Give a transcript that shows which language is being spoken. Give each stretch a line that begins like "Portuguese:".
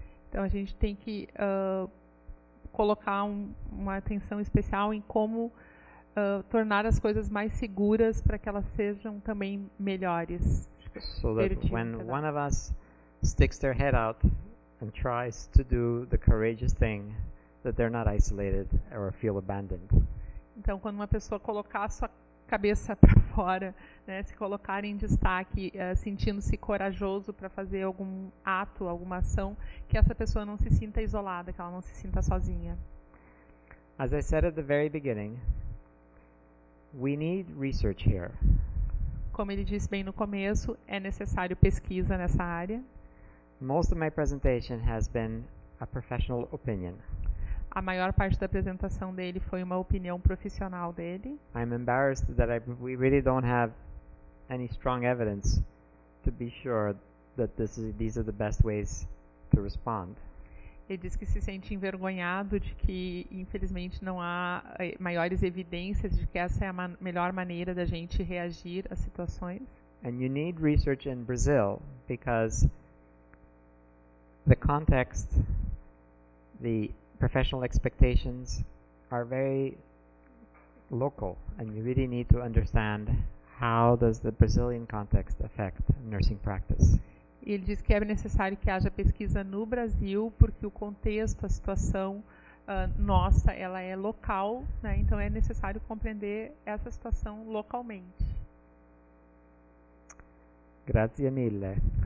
Portuguese: Então a gente tem que colocar uma atenção especial em como tornar as coisas mais seguras para que elas sejam também melhores.
English: So that when one of us sticks their head out and tries to do the courageous thing, that they're not isolated or feel abandoned.
Portuguese: Então, quando uma pessoa colocar a sua cabeça para fora, né, se colocar em destaque, sentindo-se corajoso para fazer algum ato, alguma ação, que essa pessoa não se sinta isolada, que ela não se sinta sozinha.
English: As I said at the very beginning, we need research here.
Portuguese: Como ele disse bem no começo, é necessário pesquisa nessa área.
English: Most of my presentation has been a professional opinion.
Portuguese: A maior parte da apresentação dele foi uma opinião profissional dele.
English: I'm embarrassed that we really don't have any strong evidence to be sure that these are the best ways to respond.
Portuguese: Ele diz que se sente envergonhado de que, infelizmente, não há maiores evidências de que essa é a melhor maneira da gente reagir às situações.
English: And you need research in Brazil because the context, the professional expectations are very local, and you really need to understand how does the Brazilian context affect nursing practice.
Portuguese: Ele diz que é necessário que haja pesquisa no Brasil, porque o contexto, a situação nossa, ela é local, né? Então é necessário compreender essa situação localmente.
Italian: Grazie mille.